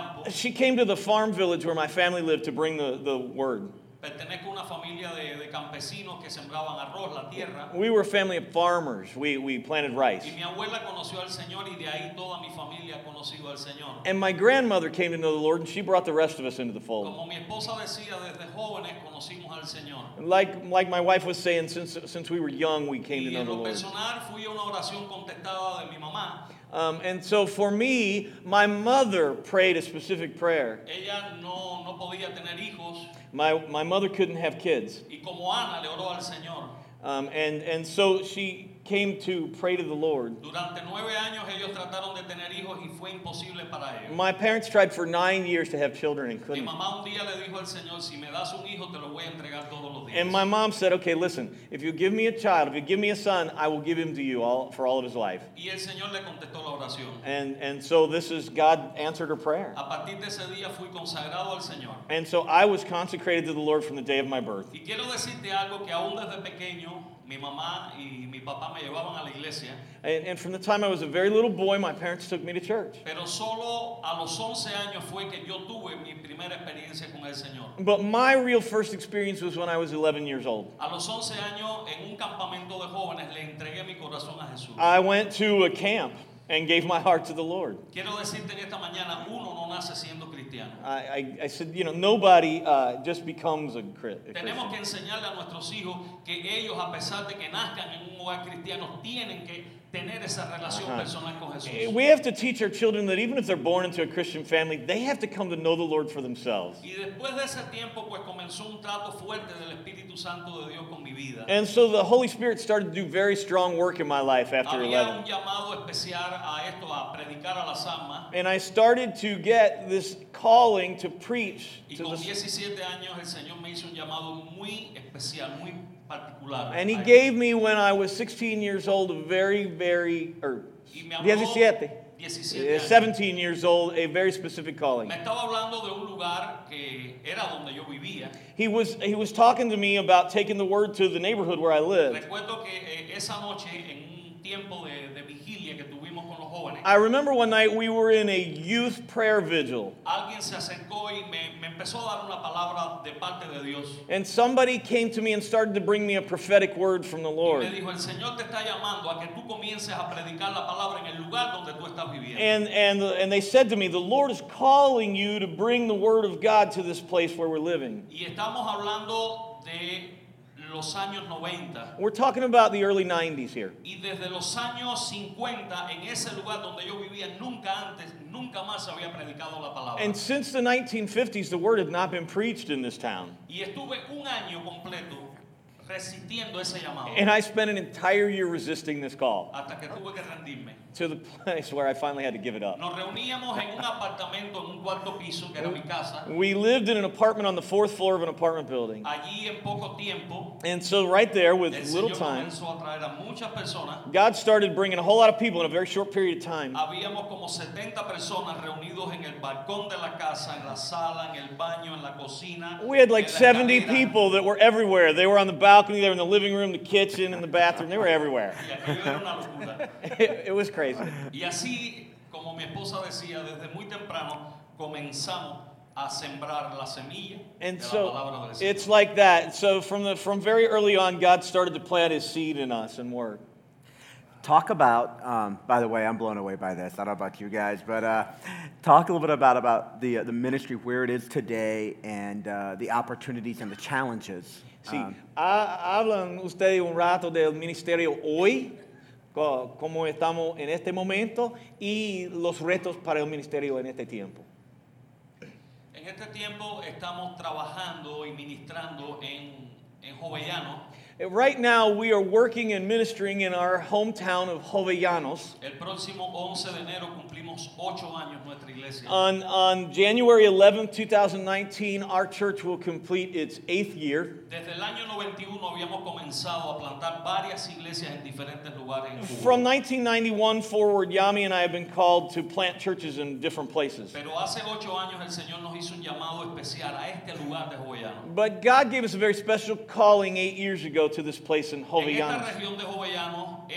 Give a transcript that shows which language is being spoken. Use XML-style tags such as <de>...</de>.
<en>She came to the farm village where my family lived to bring the word.</en> <es>Pertenezco a una familia de campesinos que sembraban arroz, la tierra.</es> <en>We were a family of farmers. We planted rice.</en> <es>Y mi abuela conoció al Señor y de ahí toda mi familia ha conocido al Señor.</es> <en>And my grandmother came to know the Lord and she brought the rest of us into the fold.</en> <es>Como mi esposa decía, desde jóvenes conocimos al Señor.</es> <en>Like my wife was saying, since we were young, we came to know the Lord.</en> <es>Y en lo personal fui a una oración contestada de mi mamá.</es> <en>And so for me, my mother prayed a specific prayer.</en> <es>Ella no podía tener hijos.</es> <en>My mother couldn't have kids.</en> <es>Y como Ana, le oró al Señor.</es> <en>And so she came to pray to the Lord.</en> <es>Durante 9 años, ellos trataron de tener hijos y fue imposible para ellos.</es> <en>My parents tried for 9 years to have children and couldn't.</en> <es>Mi mamá un día le dijo al Señor, si me das un hijo, te lo voy a entregar todos los días.</es> <en>And my mom said, okay, listen, if you give me a child, if you give me a son, I will give him to you for all of his life.</en> <es>Y el Señor le contestó la oración.</es> <en>And so this is God answered her prayer.</en> <es>A partir de ese día fui consagrado al Señor.</es> <en>And so I was consecrated to the Lord from the day of my birth.</en> <es>Y quiero decirte algo que aún desde pequeño, mi mamá y mi papá me llevaban a la iglesia.</es> <en>And from the time I was a very little boy, my parents took me to church.</en> <es>Pero solo a los 11 años fue que yo tuve mi primera experiencia con el Señor.</es> <en>But my real first experience was when I was 11 years old.</en> <es>A los 11 años, en un campamento de jóvenes, le entregué mi corazón a Jesús.</es> <en>I went to a camp and gave my heart to the Lord.</en> <es>Quiero decirte en esta mañana, uno no nace siendo cristiano.</es> <en>I said, you know, nobody just becomes a Christian.</en> <es>Tenemos que enseñarle a nuestros hijos que ellos, a pesar de que nazcan en un hogar cristiano, tienen que tener esa relación uh-huh. personal con Jesús.</es> <en>We have to teach our children that even if they're born into a Christian family, they have to come to know the Lord for themselves.</en> <es>Y después de ese tiempo, pues comenzó un trato fuerte del Espíritu Santo de Dios con mi vida.</es> <en>And so the Holy Spirit started to do very strong work in my life after 11.</en> <es>Había un llamado especial a esto, a predicar a las almas.</es> <en>And I started to get this calling to preach.</en> <es>Y con 17 años el Señor me hizo un llamado muy especial, muy particular.</es> <en>And he gave me when I was 16 years old a very, very, or 17 years old, a very specific calling.</en> <es>Me estaba hablando de un lugar que era donde yo vivía.</es> <en>He was talking to me about taking the word to the neighborhood where I lived.</en> <es>Recuerdo que esa noche en un tiempo de vigilia que tuvimos con los jóvenes.</es> <en>I remember one night we were in a youth prayer vigil.</en> <es>Alguien se acercó y me empezó a dar una palabra de parte de Dios.</es> <en>And somebody came to me and started to bring me a prophetic word from the Lord.</en> <es>Y me dijo, el Señor te está llamando a que tú comiences a predicar la palabra en el lugar donde tú estás viviendo.</es> <en>And they said to me, the Lord is calling you to bring the word of God to this place where we're living.</en> <es>Y estamos hablando de los años 90.</es> <en>We're talking about the early 90s here.</en> <es>Y desde los años 50, en ese lugar donde yo vivía, nunca antes, nunca más había predicado la palabra.</es> <en>And since the 1950s, the word had not been preached in this town.</en> <es>Y estuve un año completo resistiendo ese llamado.</es> <en>And I spent an entire year resisting this call.</en> <es>Hasta que tuve que rendirme.</es> <en>To the place where I finally had to give it up.</en> <es>Nos reuníamos en un apartamento en un cuarto piso que era mi casa.</es> <en>We lived in an apartment on the fourth floor of an apartment building.</en> <es>Allí en poco tiempo.</es> <en>And so right there with little time.</en> <es>El Señor comenzó a traer a muchas personas.</es> <en>God started bringing a whole lot of people in a very short period of time.</en> <es>Habíamos como 70 personas reunidos en el balcón de la casa, en la sala, en el baño, en la cocina.</es> <en>We had like 70 people that were everywhere. They were on the balcony, they were in the living room, the kitchen, and the bathroom. They were everywhere. It was crazy.</en> <es>Y así, como mi esposa decía, desde muy temprano comenzamos a sembrar la semilla</es> <en>and</en> <es>de</es> <en>so</en> <es>la palabra de Dios.</es> <en>It's like that. So from very early on, God started to plant his seed in us and work. Talk about, by the way, I'm blown away by this. I don't know about you guys, but talk a little bit about the ministry, where it is today, and the opportunities and the challenges.</en> <es>Sí, hablan ustedes un rato del ministerio hoy. Cómo estamos en este momento y los retos para el ministerio en este tiempo. En este tiempo estamos trabajando y ministrando en Jovellanos.</es> <en>Right now we are working and ministering in our hometown of Jovellanos.</en> <es>El próximo 11 de enero cumplimos 8 años nuestra iglesia.</es> <en>On January 11, 2019, our church will complete its 8th year.</en> <es>Desde el año 91 habíamos comenzado a plantar varias iglesias en diferentes lugares en Cuba.</es> <en>From 1991 forward, Yami and I have been called to plant churches in different places.</en> <es>Pero hace 8 años el Señor nos hizo un llamado especial a este lugar de Jovellanos.</es> <en>But God gave us a very special calling 8 years ago. Go to this place in Jovellanos.</en>